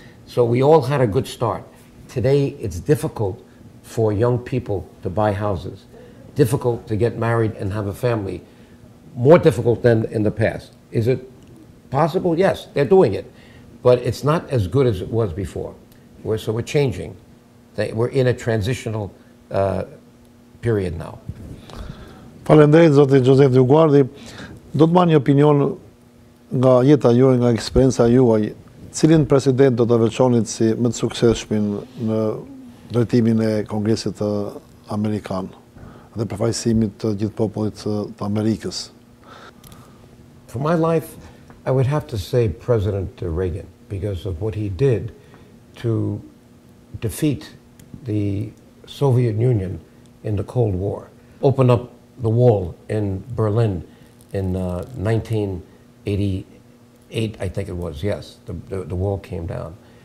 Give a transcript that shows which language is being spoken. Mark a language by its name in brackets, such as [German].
[English] So we all had a good start. Today, it's difficult for young people to buy houses, difficult to get married and have a family, more difficult than in the past. Is it possible? Yes, they're doing it. But it's not as good as it was before. So we're changing. We're in a transitional period now. [Albanian] Faleminderit, Zoti Joseph Dioguardi. Do të marr një opinion nga jeta juaj, nga eksperienca juaj. Cilin president do të veçonit si më të suksesshmin në drejtimin e Kongresit Amerikan dhe përfaqësimit të gjithë popullit të Amerikës? [English] For my life, I would have to say President Reagan because of what he did to defeat the Soviet Union in the Cold War, open up the wall in Berlin in 1988, I think it was, yes, the wall came down.